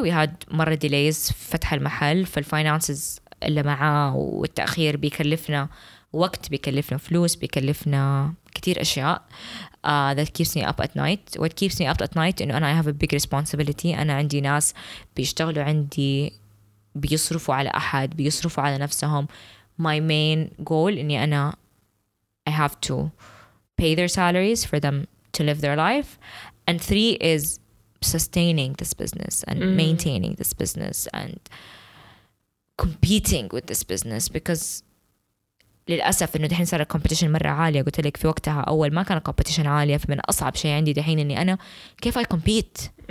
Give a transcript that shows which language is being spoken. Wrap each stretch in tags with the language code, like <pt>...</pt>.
<en>We had</en> <ar>مرة</ar> <en>delays</en> <ar>فتح المحل, فالفاينانسز اللي معاه والتأخير بيكلفنا وقت, بيكلفنا فلوس, بيكلفنا كتير أشياء.</ar> <en>That keeps me up at night. What keeps me up at night,</en> <ar>إنه أنا</ar> <en>I have a big responsibility.</en> <ar>أنا عندي ناس بيشتغلوا عندي, بيصرفوا على أحد, بيصرفوا على نفسهم.</ar> <en>My main goal</en> <ar>إني أنا</ar> <en>I have to pay their salaries for them to live their life. And three is sustaining this business and maintaining this business and competing with this business. Because</en> <ar>للأسف إنه دحين صار الكومبيتيشن مرة عالية. قلت لك في وقتها أول ما كان الكومبيتيشن عالية, فمن أصعب شيء عندي دحين إني أنا كيف</ar> <en>I compete.</en>